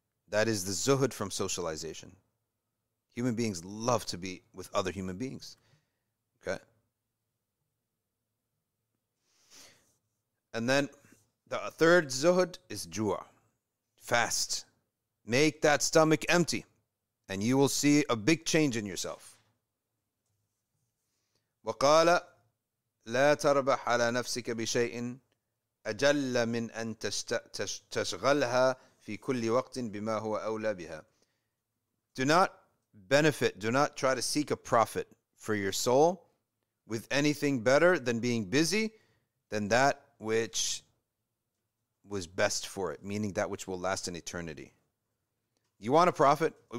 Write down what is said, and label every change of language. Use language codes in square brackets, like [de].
[en] That is the zuhd from socialization. Human beings love to be with other human beings. Okay? And then the third zuhd is ju'a, fast. Make that stomach empty, and you will see a big change in yourself. [ar] وقال لا تربح على نفسك بشيء أجل من أن تشغلها في كل وقت بما هو أولى بها. [en] Do not benefit, do not try to seek a profit for your soul with anything better than being busy than that which was best for it, meaning that which will last an eternity. You want a profit?